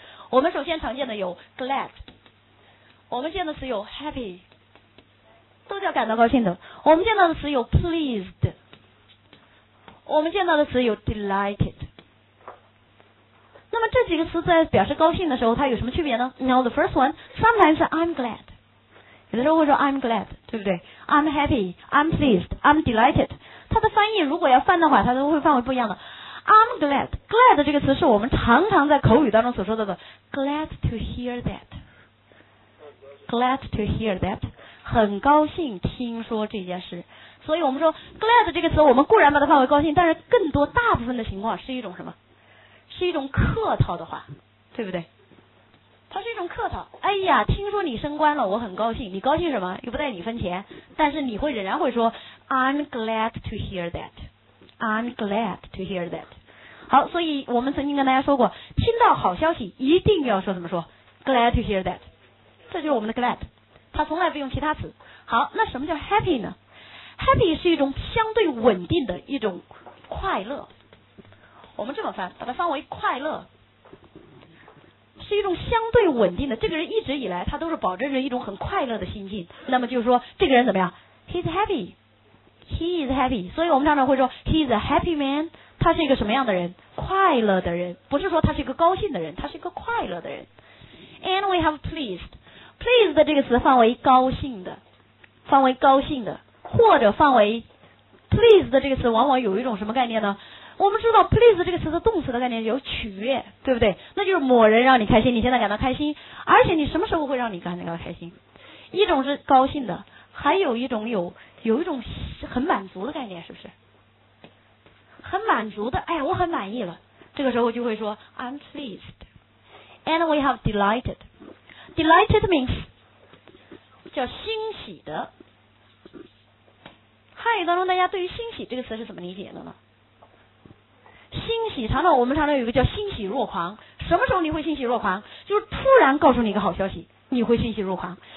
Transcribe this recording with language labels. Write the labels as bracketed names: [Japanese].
[Chinese] 我们首先常见的有 glad， 我们见的词有 happy， 都叫感到高兴的。我们见到的词有 pleased， 我们见到的词有 delighted。那么这几个词在表示高兴的时候它有什么区别呢？ [English] Now the first one， sometimes I'm glad， [Chinese] 有的时候会说 [English] I'm glad， [Chinese] 对不对？ [English] I'm happy， I'm pleased， I'm delighted。 [Chinese] 它的翻译如果要翻的话，它都会范围不一样的。I'm glad， glad 这个词是我们常常在口语当中所说的 [English] glad to hear that， glad to hear that， [Chinese] 很高兴听说这件事。所以我们说 glad 这个词我们固然把它范围高兴，但是更多大部分的情况是一种什么？是一种客套的话，对不对？它是一种客套。哎呀，听说你升官了，我很高兴。你高兴什么？又不带你分钱。但是你会仍然会说 [English] I'm glad to hear that， [Chinese] I'm glad to hear that。好，所以我们曾经跟大家说过，听到好消息一定要说怎么说？ [English] glad to hear that， [Chinese] 这就是我们的 glad， 它从来不用其他词。好，那什么叫 happy 呢？ Happy 是一种相对稳定的一种快乐。我们这么翻，把它翻为快乐，是一种相对稳定的。这个人一直以来，他都是保证着一种很快乐的心境。那么就是说，这个人怎么样 [English] ？He's happy. He is happy. [Chinese] 所以我们常常会说 ， [English] He's a happy man. [Chinese] 他是一个什么样的人？快乐的人，不是说他是一个高兴的人，他是一个快乐的人。 [English] And we have pleased. [Chinese] Pleased 这个词范围高兴的，范围高兴的，或者范围 pleased 这个词往往有一种什么概念呢？我们知道 please 这个词的动词的概念有取悦，对不对？那就是某人让你开心，你现在感到开心，而且你什么时候会让你感到开心？一种是高兴的，还有一种有一种很满足的概念，是不是？很满足的，哎呀，我很满意了。这个时候就会说 [English] I'm pleased, and we have delighted. Delighted means [Chinese] 叫欣喜的。汉语当中，大家对于欣喜这个词是怎么理解的呢？欣喜，常常我们常常有一个叫欣喜若狂。什么时候你会欣喜若狂？就是突然告诉你一个好消息，你会欣喜若狂。